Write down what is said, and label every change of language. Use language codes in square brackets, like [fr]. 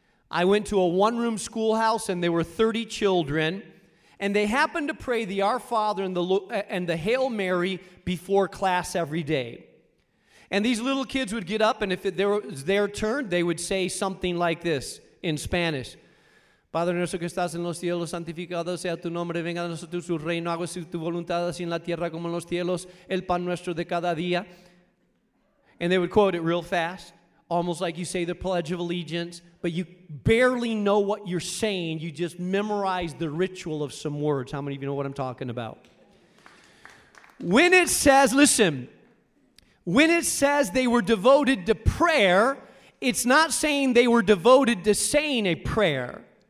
[en] I went to a one-room schoolhouse and there were 30 children. And they happened to pray the Our Father and the Hail Mary before class every day. And these little kids would get up, and if it was their turn, they would say something like this in Spanish. [es] Padre nuestro que estás en los cielos, santificado sea tu nombre, venga a nosotros tu reino, hágase tu voluntad así en la tierra como en los cielos, el pan nuestro de cada día. [en] And they would quote it real fast, almost like you say the Pledge of Allegiance, but you barely know what you're saying. You just memorize the ritual of some words. How many of you know what I'm talking about? When it says, listen, when it says they were devoted to prayer, it's not saying they were devoted to saying a prayer.